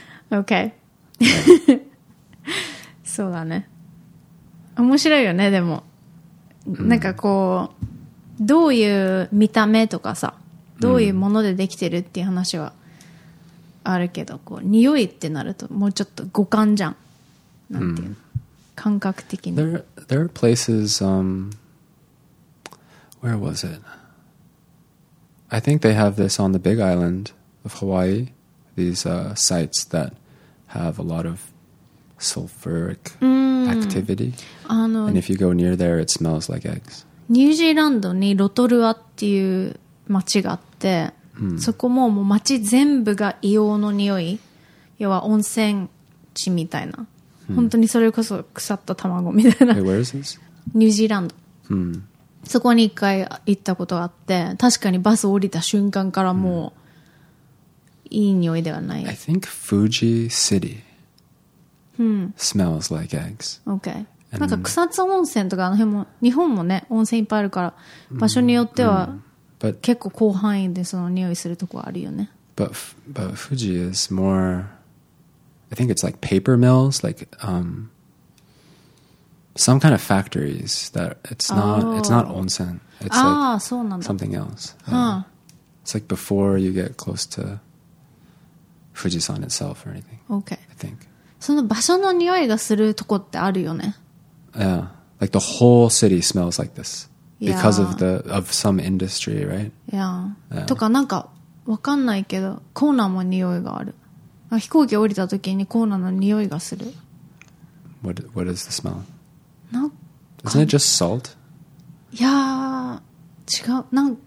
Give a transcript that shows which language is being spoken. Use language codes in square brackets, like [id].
[ja] Okay そうだね面白いよねでも、なんかこうどういう見た目とかさどういうものでできてるっていう話はあるけどこう匂いってなるともうちょっと五感じゃんなんていう、感覚的に [en] There are places where was it I think they have this on the big island of Hawaii these sites that have a lot of sulfuric activity and if you go near there it smells like eggs [ja] ニュージーランドにロトルアっていう街があってそこももう町全部が硫黄の匂い要は温泉地みたいな、本当にそれこそ腐った卵みたいな [en] Hey, where is this? [ja] ニュージーランド、そこに一回行ったことがあって確かにバス降りた瞬間からもう、いい匂いではない [en] I think Fuji City、smells like eggs [ja] OK なんか草津温泉とかあの辺も日本もね温泉いっぱいあるから場所によっては、 [en] But, [ja] 結構広範囲でその匂いするとこあるよね。 [en] But Fuji is more, I think it's like paper mills, like some kind of factories that it's not onsen. It's like something else. It's like before you get close to Fujisan itself or anything. Okay. I think. [ja] その場所の匂いがするとこってあるよね。 [en] Yeah, like the whole city smells like this. Because of some industry, right? Yeah. [ja] とかなんかわかんないけど、コーナーも匂いがある。飛行機降りた時にコーナーの匂いがする。 [en] What is the smell? [ja] なんか [en] Isn't it just salt? [ja] いやー、違う。なんか